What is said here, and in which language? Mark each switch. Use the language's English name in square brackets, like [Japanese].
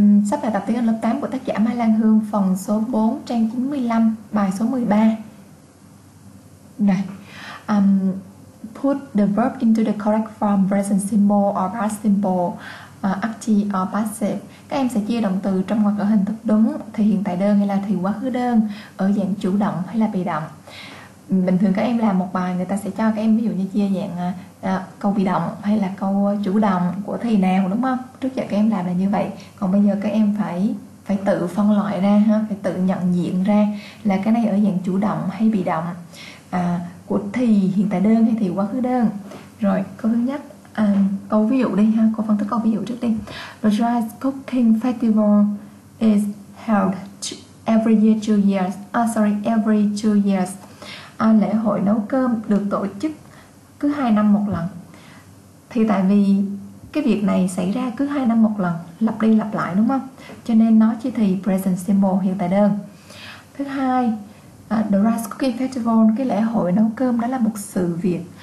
[Vietnamese] Sắp là tập tiếng Anh lớp 8 của tác giả Mai Lan Hương, phần số 4, trang 95, bài số 13. Này, [English] put the verb into the correct form, present simple or past simple, active or passive. [Vietnamese] Các em sẽ chia động từ trong hoặc ở hình thức đúng, thì hiện tại đơn hay là thì quá khứ đơn, ở dạng chủ động hay là bị động. Bình thường các em làm một bài, người ta sẽ cho các em ví dụ như chia dạng câu bị động hay là câu chủ động của thì nào, đúng không? Trước giờ các em làm là như vậy. Còn bây giờ các em phải tự phân loại ra ha, phải tự nhận diện ra là cái này ở dạng chủ động hay bị động, của thì hiện tại đơn hay thì quá khứ đơn. Rồi, câu thứ nhất, câu ví dụ đi ha, câu phân tích câu ví dụ trước đi. [English] The Dry Cooking Festival is held every two years. [Vietnamese] Lễ hội nấu cơm được tổ chức cứ 2 năm một lần. Thì tại vì cái việc này xảy ra cứ 2 năm một lần, lặp đi lặp lại đúng không? Cho nên nó chỉ thì present simple, hiện tại đơn. Thứ hai, [English] the Rice Cooking Festival, [Vietnamese] cái lễ hội nấu cơm đó là một sự việc.